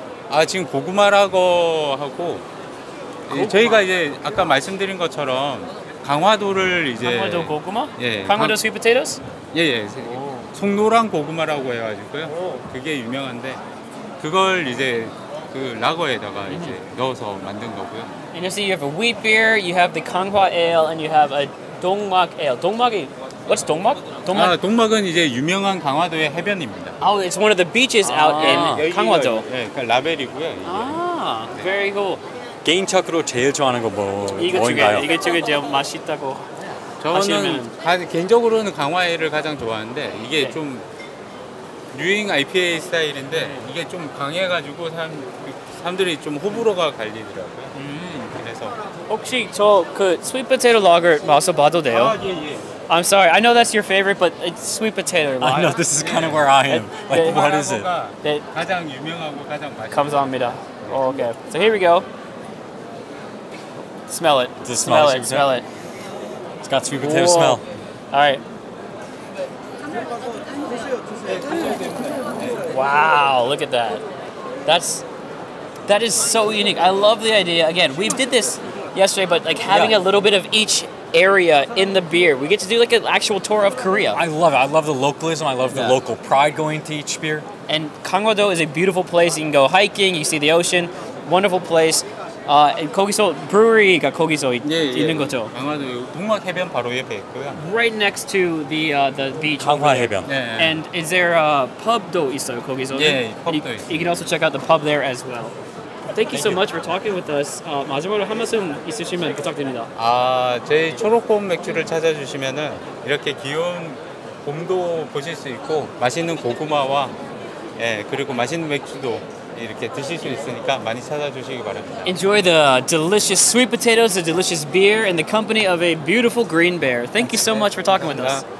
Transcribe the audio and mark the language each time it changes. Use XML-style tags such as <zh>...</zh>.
<ko>아, 지금 고구마 라거하고. 저희가 이제 아까 말씀드린 것처럼 강화도를 이제 강화도 고구마? 예,</ko> <en>강화도 sweet potatoes?</en> <ko>예예 예, 속노란 고구마라고 해가지고요. 오. 그게 유명한데 그걸 이제 그 라거에다가 이제 넣어서 만든 거고요.</ko> <en>And you see you have a wheat beer, you have the 강화 ale, and you have a 동막 ale. 동막이 what's 동막?</en> <ko>동막? 아, 동막은 이제 유명한 강화도의 해변입니다.</ko> <en>Oh, it's one of the beaches out in 강화도.</en> <ko>예, 그 라벨이고요. 이게. 아,</ko> <en>very cool.</en> <ko>개인적으로 제일 좋아하는 거 뭐 뭐인가요? 이게 저게 제일 맛있다고. 저는 개인적으로는 강화에일을 가장 좋아하는데 이게 네. 좀 뉴잉 IPA 스타일인데 네. 이게 좀 강해가지고 사람들이 좀 호불호가 갈리더라고요. 그래서 혹시 저 그</ko> <en>sweet potato lager</en> <ko>마셔 봐도 돼요? 아, 예, 예.</ko> <en>I'm sorry. I know that's your favorite, but it's sweet potato. Right? I know this is kind of where I am. Like, what is it?</en> <ko>가장 유명하고 가장 맛있. 감사합니다.</ko> <en>Oh, okay. So here we go. Smell it. Does it smell it. Smell it. It's got sweet potato Whoa. Smell. All right. Wow, look at that. That is so unique. I love the idea. Again, we did this yesterday, but like having a little bit of each area in the beer. We get to do like an actual tour of Korea. I love it. I love the localism. I love the local pride going to each beer. And Gangwon-do is a beautiful place. You can go hiking. You see the ocean. Wonderful place.</en> <ko>거기서 브루어리가 거기서 있는 거죠. 강화도 동막해변 바로 옆에 있고요.</ko> <en>Right next to the beach.</en> <ko>강화해변.</ko> <en>Yeah. And is there a pub도</en> <ko>있어요 거기서?</ko> <en>Yeah,</en> <ko>pub도 있어요.</ko> <en>You can also check out the pub there as well. Thank you so much for talking with us.</en> <ko>마지막으로 한 말씀 있으시면 부탁드립니다. 아, 저희 초록곰 맥주를 찾아주시면은 이렇게 귀여운 곰도 보실 수 있고 맛있는 고구마와 예 그리고 맛있는 맥주도. 이렇게 드실 수 있으니까 많이 찾아주시기 바랍니다.</ko> <en>Enjoy the delicious sweet potatoes, the delicious beer, and the company of a beautiful green bear. Thank you so much for talking with us.</en>